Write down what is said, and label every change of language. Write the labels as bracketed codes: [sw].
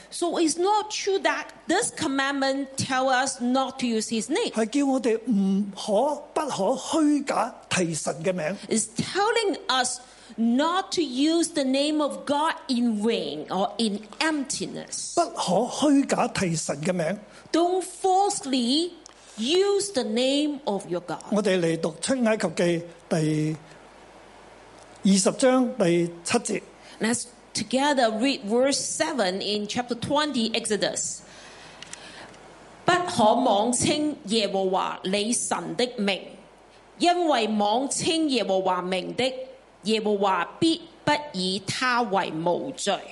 [zh] 字。 [en] So it's not true that this commandment tells us not to use his name. [zh] 是叫我们不可虚假提神的名字。 [en] It's telling us not to use the name of God in vain or in emptiness. [zh] 不可虚假提神的名字。 [en] Don't falsely use the name of your God. [zh] 我们来读出埃及记第二十章第七节。 [en] Let's together read verse 7 in chapter 20, Exodus. [zh] 不可妄称耶和华你神的名，因为妄称耶和华名的，耶和华必不以他为无罪。